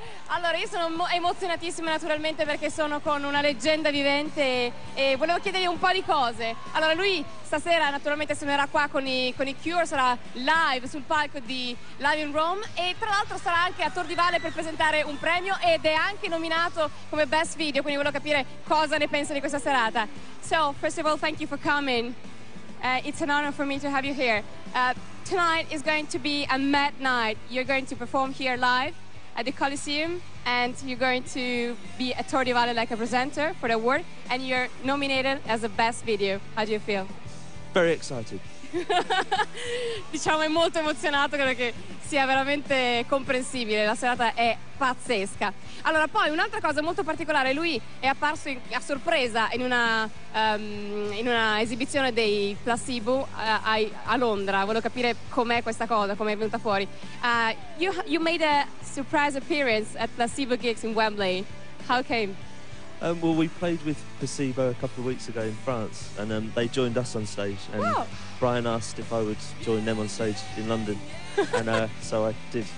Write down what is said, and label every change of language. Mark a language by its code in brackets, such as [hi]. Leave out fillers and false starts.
[it] Allora, io sono emozionatissima naturalmente perché sono con una leggenda vivente e volevo chiedergli un po' di cose. Allora, lui stasera naturalmente suonerà qua con i Cure, sarà live sul palco di Live in Rome e tra l'altro sarà anche a Tor di Valle per presentare un premio ed è anche nominato come Best Video, quindi volevo capire cosa ne pensa di questa serata. [en] So, first of all, thank you for coming. It's an honor for me to have you here. Tonight is going to be a mad night. You're going to perform here live at the Coliseum and you're going to be at Tor di Valle like a presenter for the award and you're nominated as the best video. How do you feel? Very excited. [it] Diciamo è molto emozionato, credo che sia veramente comprensibile, la serata è pazzesca. Allora, poi un'altra cosa molto particolare, lui è apparso a sorpresa in una esibizione dei Placebo a Londra. Volevo capire com'è questa cosa, com'è venuta fuori. [en] You made a surprise appearance at Placebo gigs in Wembley. How came? Well, we played with Placebo a couple of weeks ago in France and they joined us on stage and Brian asked if I would join them on stage in London and so I did.